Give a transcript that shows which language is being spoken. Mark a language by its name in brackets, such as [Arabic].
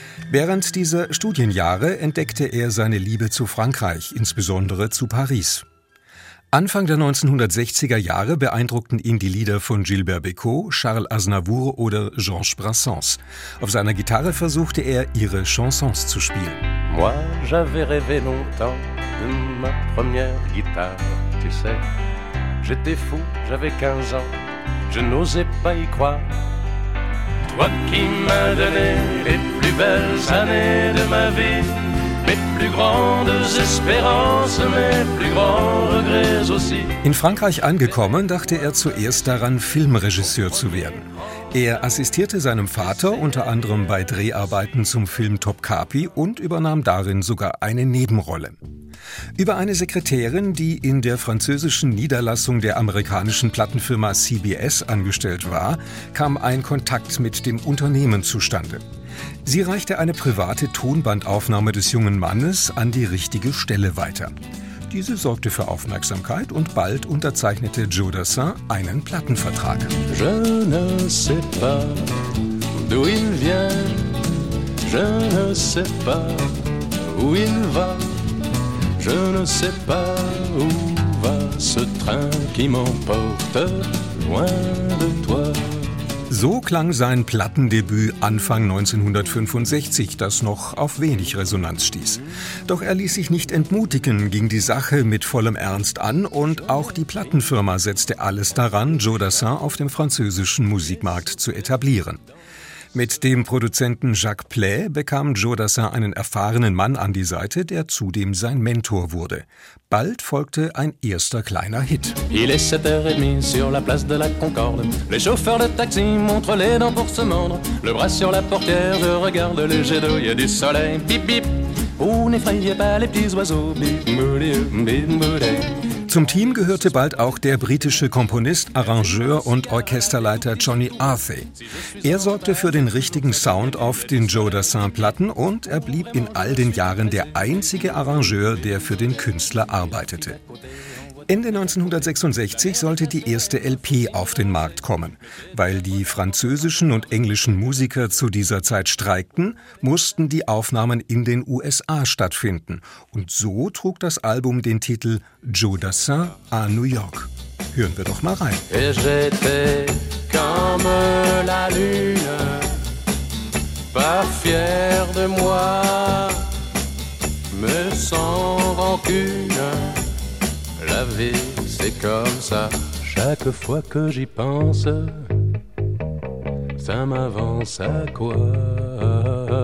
[German] Während dieser Studienjahre entdeckte er seine Liebe zu Frankreich, insbesondere zu Paris. Anfang der 1960er Jahre beeindruckten ihn die Lieder von Gilbert Bécaud, Charles Aznavour oder Georges Brassens. Auf seiner Gitarre versuchte er, ihre Chansons zu spielen. [French] Moi, j'avais rêvé longtemps de ma première guitare, tu sais. J'étais fou, j'avais 15 ans, je n'osais pas y croire. Toi qui m'as donné les plus belles années de ma vie. Mes plus grandes espérances, mes plus grands regrets aussi. [German] In Frankreich angekommen, dachte er zuerst daran, Filmregisseur zu werden. Er assistierte seinem Vater unter anderem bei Dreharbeiten zum Film Top Capi und übernahm darin sogar eine Nebenrolle. Über eine Sekretärin, die in der französischen Niederlassung der amerikanischen Plattenfirma CBS angestellt war, kam ein Kontakt mit dem Unternehmen zustande. Sie reichte eine private Tonbandaufnahme des jungen Mannes an die richtige Stelle weiter. Diese sorgte für Aufmerksamkeit und bald unterzeichnete Joe Dassin einen Plattenvertrag. [French] Je ne sais pas d'où il vient, je ne sais pas où il va, je ne sais pas où va ce train qui m'emporte loin de toi. [German] So klang sein Plattendebüt Anfang 1965, das noch auf wenig Resonanz stieß. Doch er ließ sich nicht entmutigen, ging die Sache mit vollem Ernst an und auch die Plattenfirma setzte alles daran, Joe Dassin auf dem französischen Musikmarkt zu etablieren. Mit dem Produzenten Jacques Plais bekam Joe Dassin einen erfahrenen Mann an die Seite, der zudem sein Mentor wurde. Bald folgte ein erster kleiner Hit. [French] Il est 7h30 sur la place de la Concorde. Les chauffeurs de taxi montrent les dents pour se mordre. Le bras sur la portière, je regarde les jets d'eau. Il y a du soleil, bip bip. Oh, n'effrayez pas les petits oiseaux. Bip boulie, bip boulie. [German] Zum Team gehörte bald auch der britische Komponist, Arrangeur und Orchesterleiter Johnny Arthey. Er sorgte für den richtigen Sound auf den Joe Dassin-Platten und er blieb in all den Jahren der einzige Arrangeur, der für den Künstler arbeitete. Ende 1966 sollte die erste LP auf den Markt kommen. Weil die französischen und englischen Musiker zu dieser Zeit streikten, mussten die Aufnahmen in den USA stattfinden. Und so trug das Album den Titel Joe Dassin à New York. Hören wir doch mal rein. [French] Et j'étais comme la lune, pas fier de moi, me sans rancune. La vie, c'est comme ça. Chaque fois que j'y pense, ça m'avance à quoi?